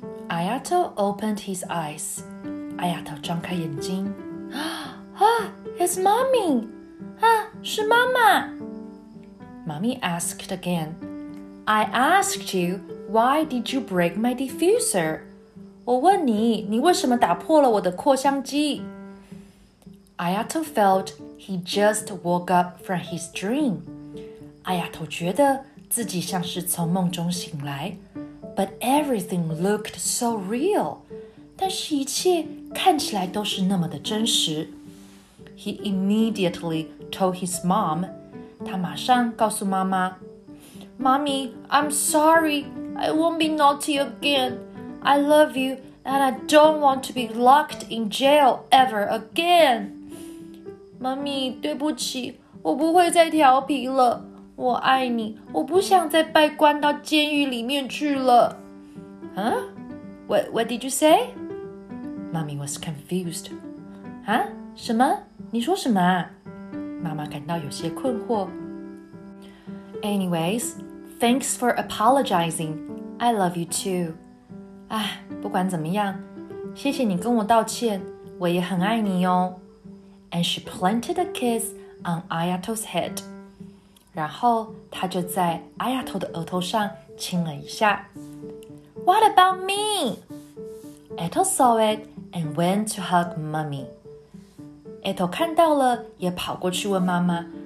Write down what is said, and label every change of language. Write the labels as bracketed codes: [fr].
[en] Ayato opened his eyes. Ayato [zh] 张开眼睛。 [en] It's mommy! [zh] 是妈妈。 [en] Mommy asked again. I asked you, why did you break my diffuser? [zh] 我问你,你为什么打破了我的扩香机? [en] Ayato felt... He just woke up from his dream. [zh] Ayato 觉得自己像是从梦中醒来。 [en] But everything looked so real. [zh] 但是一切看起来都是那么的真实。 [en] He immediately told his mom. [zh] 他马上告诉妈妈。 [en] Mommy, I'm sorry. I won't be naughty again. I love you and I don't want to be locked in jail ever again. [zh] 妈咪，对不起，我不会再调皮了。我爱你，我不想再被关到监狱里面去了。 [en] Huh? What did you say? Mommy was confused. Huh? [zh] 什么？你说什么？妈妈感到有些困惑。 [en] Anyways, thanks for apologizing. I love you too. [zh] 唉，不管怎么样，谢谢你跟我道歉，我也很爱你哦。 [en] And she planted a kiss on Ayato's head. [zh] 然后她就在 Ayato 的额头上亲了一下。 [en] What about me? Eto saw it and went to hug Mummy. [zh] Eto 看到了，也跑过去问妈妈，